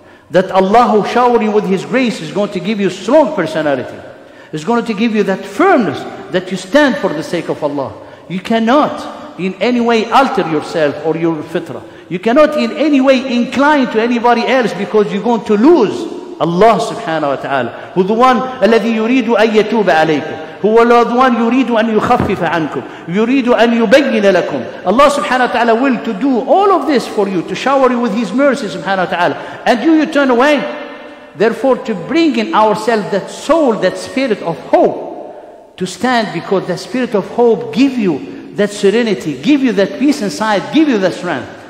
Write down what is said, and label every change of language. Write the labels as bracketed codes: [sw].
[en] That Allah who shower you with His grace is going to give you strong personality. Is going to give you that firmness that you stand for the sake of Allah. You cannot in any way alter yourself or your fitrah. You cannot in any way incline to anybody else because you're going to lose Allah subhanahu wa ta'ala. Who the one [ar] الذي يريد أن يتوب عليكم. [en] Who Allah the one [ar] يريد أن يخفف عنكم. يريد أن يبين لكم. [en] Allah subhanahu wa ta'ala will to do all of this for you, to shower you with His mercy subhanahu wa ta'ala. And you turn away. Therefore, to bring in ourselves that soul, that spirit of hope, to stand, because the spirit of hope give you that serenity, give you that peace inside, give you that strength.